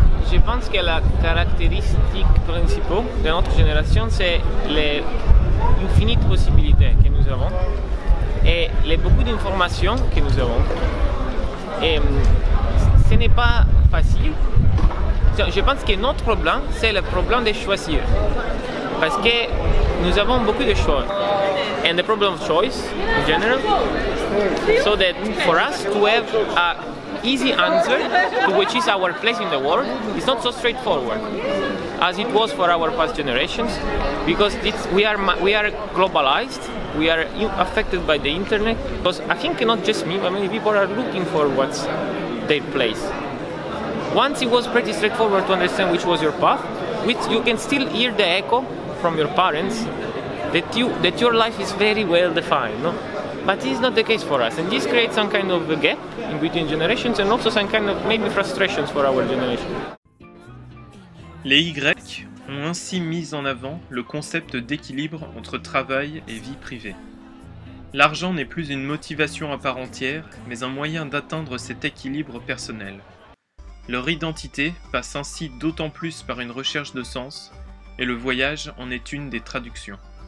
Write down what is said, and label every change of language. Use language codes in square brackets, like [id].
[fr] Je pense que la caractéristique principale de notre génération, c'est les infinies possibilités que nous avons et les beaucoup d'informations que nous avons. Et ce n'est pas facile. Je pense que notre problème, c'est le problème de choisir. Parce que nous avons beaucoup de choix. [en] And the problem of choice, in general, so that for us to have an easy answer to which is our place in the world, it's not so straightforward as it was for our past generations, because we are globalized, we are affected by the internet. Because I think not just me, but many people are looking for what's their place. Once it was pretty straightforward to understand which was your path, which you can still hear the echo from your parents that your life is very well defined, no? But this is not the case for us, and this creates some kind of a gap in between generations and also some kind of maybe frustrations for our generation. [fr] Les Y ont ainsi mis en avant le concept d'équilibre entre travail et vie privée. L'argent n'est plus une motivation à part entière, mais un moyen d'atteindre cet équilibre personnel. Leur identité passe ainsi d'autant plus par une recherche de sens, et le voyage en est une des traductions.